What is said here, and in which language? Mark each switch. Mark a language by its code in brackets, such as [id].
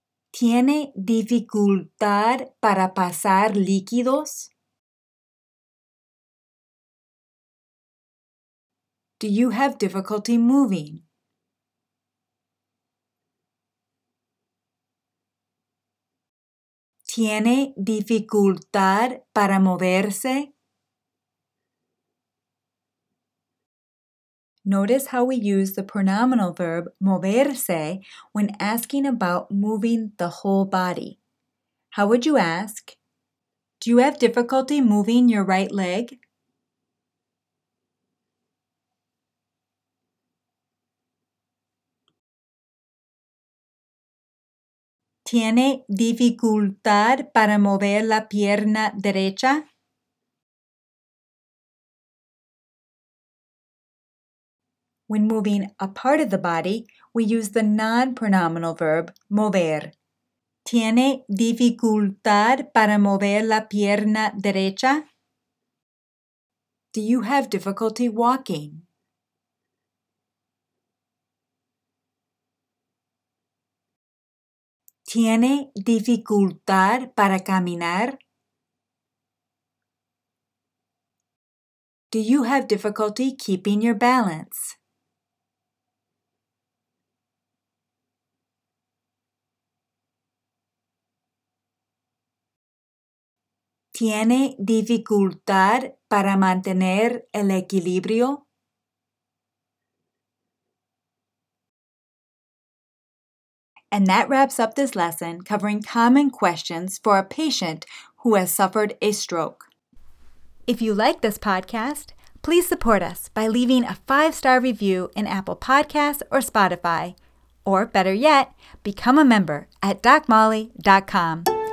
[es] ¿Tiene dificultad para pasar líquidos? [en] Do you have difficulty moving? [es] ¿Tiene dificultad para moverse? [en] Notice how we use the pronominal verb moverse when asking about moving the whole body. How would you ask, do you have difficulty moving your right leg? [es] ¿Tiene dificultad para mover la pierna derecha? [en] When moving a part of the body, we use the non-pronominal verb mover. [es] ¿Tiene dificultad para mover la pierna derecha? [en] Do you have difficulty walking? [es] ¿Tiene dificultad para caminar? [en] Do you have difficulty keeping your balance? [es] ¿Tiene dificultad para mantener el equilibrio? [en] And that wraps up this lesson covering common questions for a patient who has suffered a stroke. If you like this podcast, please support us by leaving a 5-star review in Apple Podcasts or Spotify, or better yet, become a member at DocMolly.com.